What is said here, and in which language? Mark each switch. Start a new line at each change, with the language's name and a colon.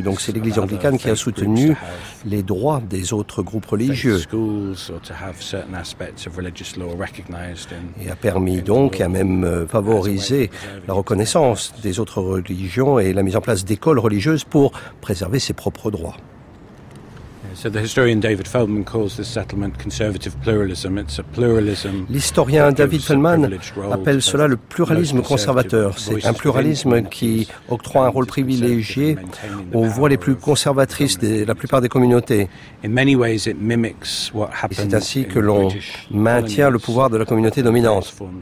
French: Donc c'est l'Église anglicane qui a soutenu les droits des autres groupes religieux et a permis donc, et a même favorisé la reconnaissance des autres religions et la mise en place d'écoles religieuses pour préserver ses propres droits.
English: So the historian David Feldman calls this settlement conservative pluralism. It's a pluralism.
French: L'historien David Feldman appelle cela le pluralisme conservateur. C'est un pluralisme qui octroie un rôle privilégié aux voix les plus conservatrices de la plupart des communautés.
English: In many ways, it mimics what happens.
French: C'est ainsi que l'on maintient le pouvoir de la communauté dominante.